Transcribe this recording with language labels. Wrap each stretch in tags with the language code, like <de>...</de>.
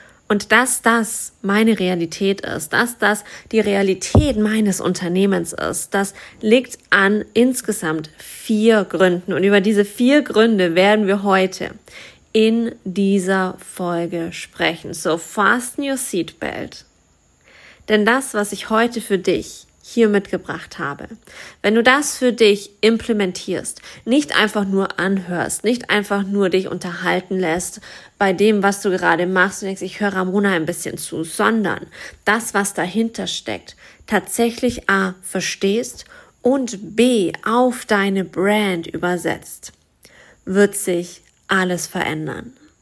<de>Und dass das meine Realität ist, dass das die Realität meines Unternehmens ist, das liegt an insgesamt 4 Gründen. Und über diese 4 Gründe werden wir heute in dieser Folge sprechen.</de> <en>So, fasten your seatbelt.</en> <de>Denn das, was ich heute für dich hier mitgebracht habe, wenn du das für dich implementierst, nicht einfach nur anhörst, nicht einfach nur dich unterhalten lässt bei dem, was du gerade machst und denkst, ich höre Ramona ein bisschen zu, sondern das, was dahinter steckt, tatsächlich A, verstehst und B, auf deine Brand übersetzt, wird sich alles verändern.</de>